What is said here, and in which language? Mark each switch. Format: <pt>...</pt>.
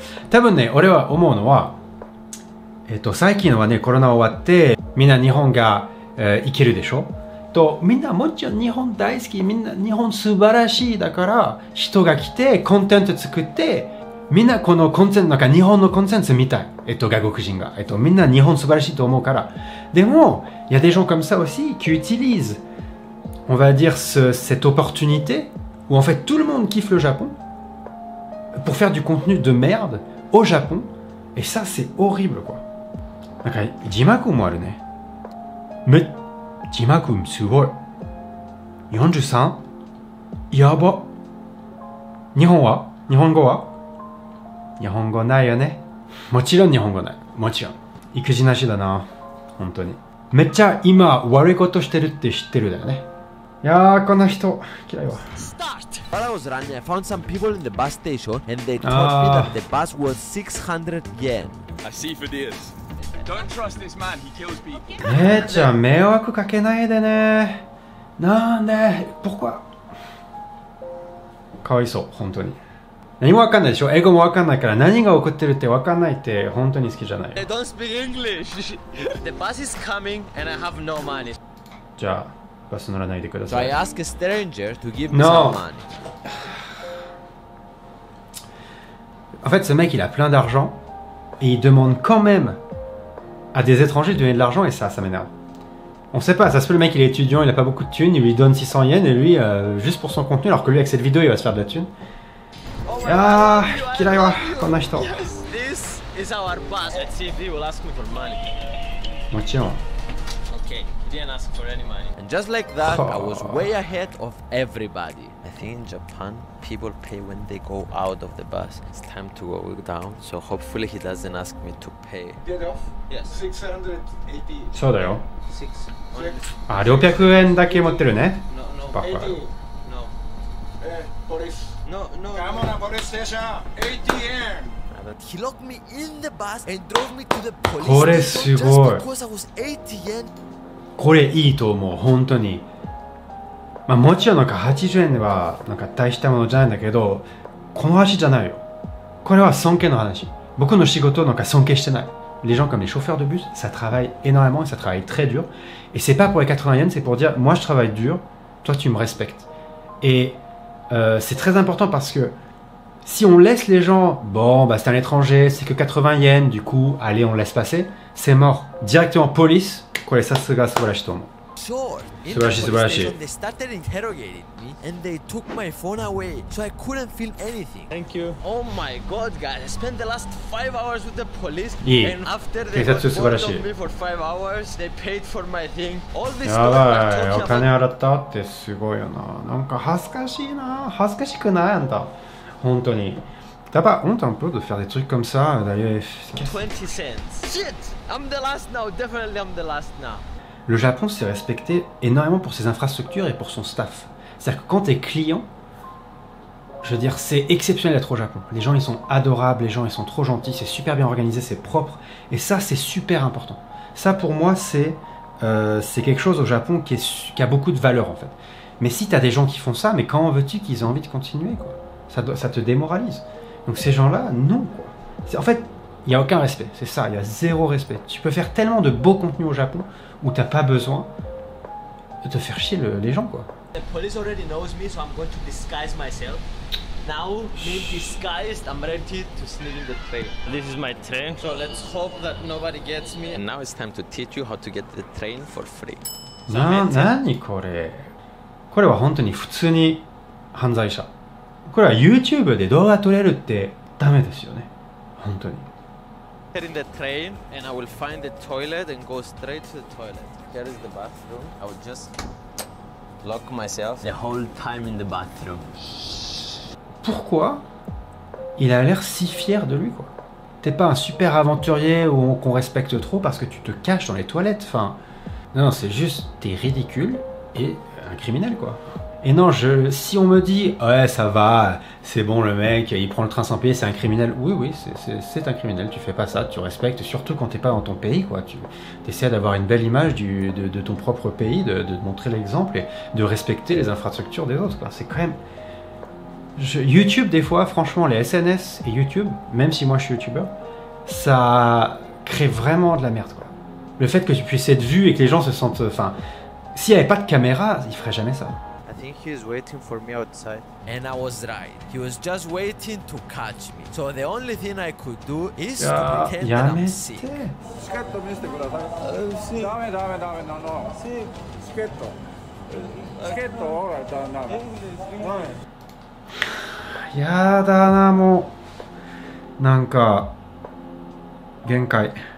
<ja>多分ね、俺は思うのは、最近はね、コロナ終わって、みんな日本が、行けるでしょと、みんなもちろん日本大好き、みんな日本素晴らしい、だから人が来てコンテンツ作って、みんなこのコンテンツ、なんか日本のコンテンツ見たい。外国人が。みんな日本素晴らしいと思うから。</ja> <fr>でも、il y a des gens comme ça aussi qui utilisent, on va dire, cette opportunité où en fait tout le monde kiffe le Japon pour faire du contenu de merde au Japon. Et ça, c'est horrible, quoi.</fr> <ja>なんか、字幕もあるね。め、字幕もすごい。43? やば。日本は?日本語は? 日本語ないよね。もちろん日本語ない。もちろん。育児なしだな。本当に。めっちゃ今悪いことしてるって知ってるだよね。いやー、こんな人嫌いわ。</ja> <en>Start! While I was running, I found some people in the bus station and they told me that the bus was 600 yen. I see for this. Don't trust this man, he kills people.</en> <ja>めっちゃ迷惑かけないでね。なんで、僕は。かわいそう、本当に。何もわかんないでしょ、英語もわかんないから何が起こってるってわかんないって本当に好きじゃない。</ja> <en>Don't speak English. The bus is coming and I have no money.</en> <ja>じゃあ、バス乗らないでください。</ja> <en>So I ask a stranger to give me some money.</en> <fr>En fait, ce mec, il a plein d'argent et il demande quand même à des étrangers de donner de l'argent et ça, ça m'énerve. On sait pas, ça se peut le mec, il est étudiant, il a pas beaucoup de thunes, il lui donne 600 yens et lui, juste pour son contenu, alors que lui, avec cette vidéo, il va se faire de la thune. Ah, qui l'a eu, quand même, je t'en.</fr> <en>This is our bus. Let's see if he will ask me for money.</en> <fr>Moi, tiens.</fr> <en>Okay, didn't ask for any money. And just like that, I was way ahead of everybody. I think in Japan, people pay when they go out of the bus. It's time to go down, so hopefully he doesn't ask me to pay. Get off? Yes. 680. So, 600. Ah, 600 yen. No, no, 80. No. Police. No, no. Come on, police station. 80 yen. He locked me in the bus and drove me to the police station just because I was 80 yen.</en> <ja>これいいと思う本当に。まあもちろんなんか80円ではなんか大したものじゃないんだけど、この話じゃないよ。これは尊敬の話。僕の仕事なんか尊敬してない。</ja> <fr>Les gens comme les chauffeurs de bus, ça travaille énormément, ça travaille très dur. Et c'est pas pour les 80 yens, c'est pour dire moi je travaille dur, toi tu me respectes. Et c'est très important parce que si on laisse les gens, bon, bah, c'est un étranger, c'est que 80 yens, du coup, allez, on laisse passer, c'est mort. Directement, police, quoi, ça se passe, voilà, je tombe.</fr> <en>They started interrogating me and they took my phone away, so I couldn't film anything. Thank you. Oh my god, guys, I spent the last 5 hours with the police. Yeah. And after they got bored of me for 5 hours, they paid for my thing. All this stuff I told you about. Yeah, yeah, yeah,</en> <ja>お金払ったってすごいよな。なんか恥ずかしいな。恥ずかしくないあんた。本当に。</ja> <fr>T'as pas honte un peu de faire des trucs comme ça, d'ailleurs.</fr> <en>20 cents. Shit! I'm the last now, definitely I'm the last now.</en> <fr>Le Japon s'est respecté énormément pour ses infrastructures et pour son staff. C'est-à-dire que quand t'es client, je veux dire, c'est exceptionnel d'être au Japon. Les gens, ils sont adorables, les gens, ils sont trop gentils, c'est super bien organisé, c'est propre. Et ça, c'est super important. Ça, pour moi, c'est quelque chose au Japon qui a beaucoup de valeur, en fait. Mais si t'as des gens qui font ça, mais quand veux-tu qu'ils aient envie de continuer, quoi? Ça te démoralise. Donc ces gens-là, non, quoi. En fait, il n'y a aucun respect, c'est ça, il y a zéro respect. Tu peux faire tellement de beaux contenus au Japon où tu n'as pas besoin de te faire chier les gens, quoi.</fr> <en>The police already knows me, so I'm going to disguise myself. Now, being disguised, I'm ready to sleep in the train. This is my train. So let's hope that nobody gets me. And now it's time to teach you how to get the train for free.</en> <ja>なにこれ。これは本当に普通に犯罪者。これは YouTube で動画撮れるってダメですよね。本当に。</ja> <en>Get in the train and I will find the toilet and go straight to the toilet. Here is the bathroom. I will just lock myself the whole time in the bathroom.</en> <fr>Pourquoi il a l'air si fier de lui, quoi? T'es pas un super aventurier ou qu'on respecte trop parce que tu te caches dans les toilettes, enfin. Non, c'est juste t'es ridicule et un criminel, quoi. Et non, si on me dit « Ouais, ça va, c'est bon le mec, il prend le train sans payer, c'est un criminel. » Oui, oui, c'est un criminel, tu fais pas ça, tu respectes, surtout quand t'es pas dans ton pays, quoi. Tu essaies d'avoir une belle image de ton propre pays, de montrer l'exemple et de respecter les infrastructures des autres, quoi. C'est quand même... YouTube, des fois, franchement, les SNS et YouTube, même si moi je suis YouTuber, ça crée vraiment de la merde, quoi. Le fait que tu puisses être vu et que les gens se sentent... Enfin, s'il n'y avait pas de caméra, ils feraient jamais ça.</fr> <en>I think he is waiting for me outside. And I was right. He was just waiting to catch me. So the only thing I could do is to pretend that I'm sick.</en> <ja>チケット見せてください。シー。ダメダメダメ、ノーノー。シー、チケット。チケットはダメダメ。やだな、もう。なんか、限界。</ja>